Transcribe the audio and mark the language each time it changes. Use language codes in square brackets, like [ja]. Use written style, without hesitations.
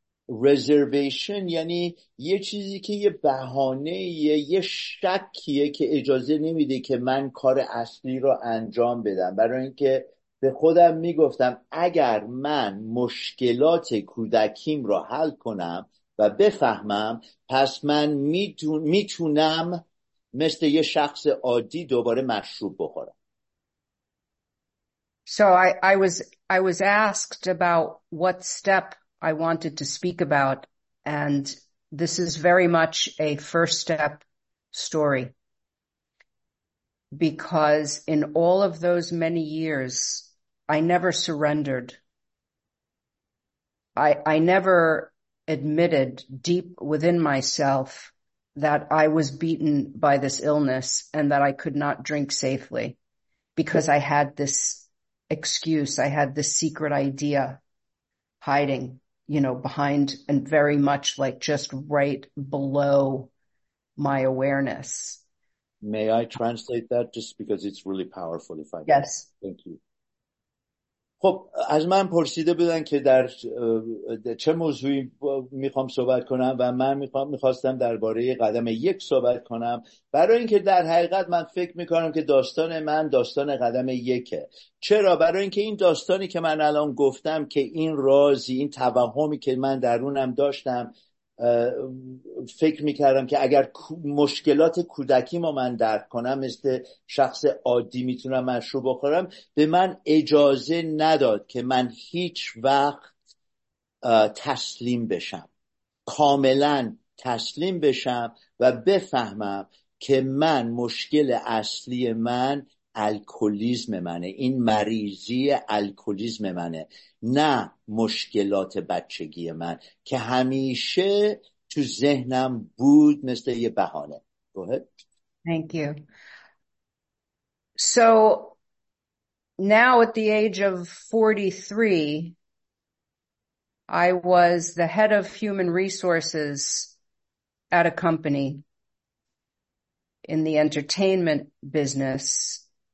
[fa] رزرویشن یعنی یه چیزی که یه بهانه یه شکیه که اجازه نمیده که من کار اصلی رو انجام بدم. برای اینکه به خودم میگفتم اگر من مشکلات کودکیم رو حل کنم و بفهمم، پس من میتونم مثل یه شخص عادی دوباره مشروب بخورم. [en] So I was asked about what step I wanted to speak about, and this is very much a first step story. Because in all of those many years, I never surrendered. I never admitted deep within myself that I was beaten by this illness and that I could not drink safely because I had this excuse. I had this secret idea hiding, you know, behind and very much like just right below my awareness. May I translate that just because it's really powerful if I can? Yes. Thank you. [fa] خب از من پرسیده بودن که در چه موضوعی میخوام صحبت کنم و من میخواستم درباره قدم یک صحبت کنم، برای اینکه در حقیقت من فکر میکنم که داستان من داستان قدم یکه. چرا؟ برای اینکه این داستانی که من الان گفتم که این رازی، این توهمی که من درونم داشتم، فکر میکردم که اگر مشکلات کودکی ما من درک کنم مثل شخص عادی میتونم مشروب بخورم، به من اجازه نداد که من هیچ وقت تسلیم بشم، کاملا تسلیم بشم و بفهمم که من مشکل اصلی من الکلیزم منه، این مریضی الکلیزم منه، نه مشکلات بچگی من که همیشه تو ذهنم بود مثل یه بهانه. [en] Go ahead. Thank you. So now at the age of 43, I was the head of human resources at a company in the entertainment business.